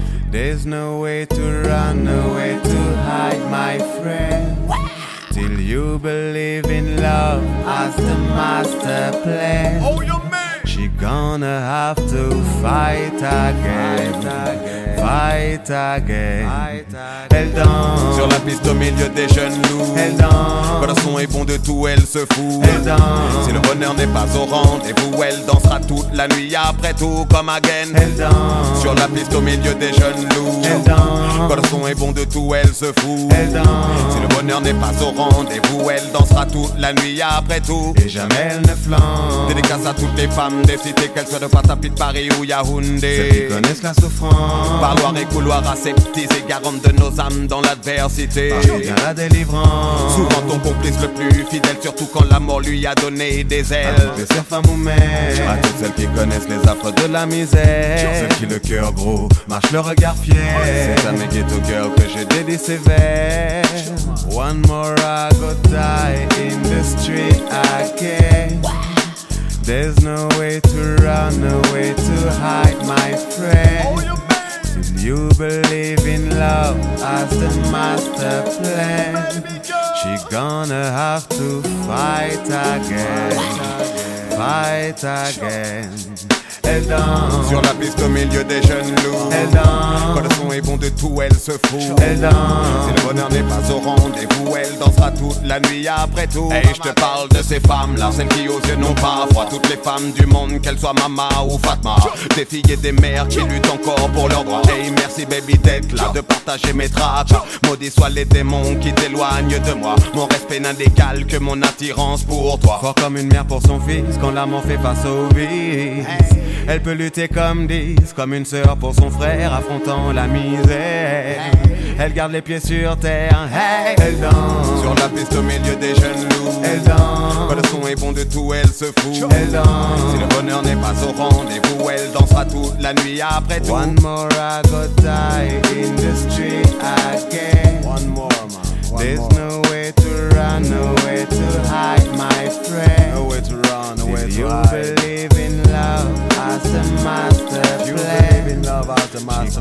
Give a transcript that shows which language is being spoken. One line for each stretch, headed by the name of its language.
English: There's no way to run, no way to hide, my friend. Till you believe in love as the master plan. Oh, you're mad. She gonna have to fight again. Fight again. Fight again.
French: Elle danse sur la piste au milieu des jeunes loups. Elle danse quand le son est bon de tout, elle se fout. Elle danse si le bonheur n'est pas au rendez-vous, elle dansera toute la nuit après tout comme again. Elle danse sur la piste au milieu des jeunes loups. Elle danse quand le son est bon de tout, elle se fout. Elle danse si le bonheur n'est pas au rendez-vous, elle dansera toute la nuit après tout. Et jamais elle ne flanche. Dédicace à toutes les femmes des cités, qu'elles soient de Patapi, de Paris ou Yaoundé. Ceux qui connaissent la souffrance. Parloir et couloir aseptisés, garantes de nos âmes dans l'adversité. Paris vient la délivrance. Souvent ton complice le plus fidèle, surtout quand l'amour lui a donné des ailes. Je serai femme ou mère, à toutes celles qui connaissent les affres de la misère. Sur celles qui le cœur gros marche le regard fier. C'est à mes guettes au cœur que j'ai dédié ces vers.
English: One more I go die in the street again. There's no way to run, no way to hide, my friend. You believe in love as the master plan. She gonna have to fight again. Fight again.
French: Elle danse sur la piste au milieu des jeunes loups. Elle danse quand le son est bon de tout, elle se fout. Elle danse si le bonheur n'est pas au rendez-vous, elle dansera toute la nuit après tout. Hey, je te parle de ces femmes-là, celles qui aux yeux n'ont pas froid. Toutes les femmes du monde, qu'elles soient Mama ou Fatma, des filles et des mères qui luttent encore pour leurs droits. Hey, merci baby d'être là, de partager mes traces. Maudits soient les démons qui t'éloignent de moi. Mon respect n'a d'égal que mon attirance pour toi. Fort comme une mère pour son fils, quand l'amour fait face au vice. Elle peut lutter comme 10, comme une sœur pour son frère, affrontant la misère. Elle garde les pieds sur terre. Hey, elle danse sur la piste au milieu des jeunes loups. Elle danse quand le son est bon de tout, elle se fout. Elle danse si le bonheur n'est pas au rendez-vous, elle dansera toute la nuit après tout.
English: One more I go die in the street again. One more, man. One there's more. No way to run, no way to hide, my friend. No way to run, no way to you hide. You believe in love as the master plan. You believe in love as the master